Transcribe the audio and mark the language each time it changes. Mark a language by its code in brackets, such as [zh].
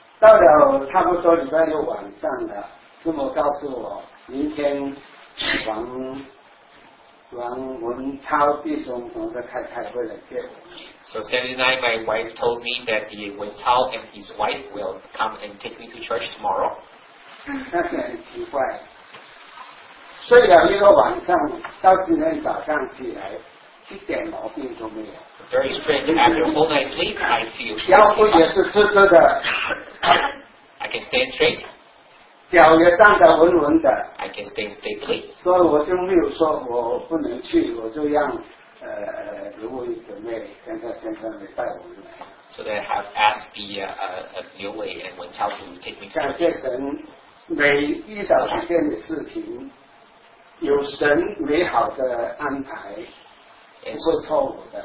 [zh] 到了差不多礼拜六晚上的，师母告诉我明天王文超弟兄同的太太会来接我。 [en] So Saturday night, my wife told me that the Wen Chao and his wife will come and take me to church tomorrow. [zh] 那是很奇怪。睡了一个晚上，到今天早上起来，一点毛病都没有。 [en] Very strange. After a whole night's sleep, I feel. [zh] 腰部也是直直的。 [en] I can stand straight. [zh] 脚也站得稳稳的。 [en] I can stay stably. [zh] 所以我就没有说我不能去，我就让刘伟姊妹跟她先生来带我们来。 [en] So they have asked the Liu Wei and Wen Chao to take me. [zh] 感谢神，每遇到一件的事情。有神美好的安排，不会错误的。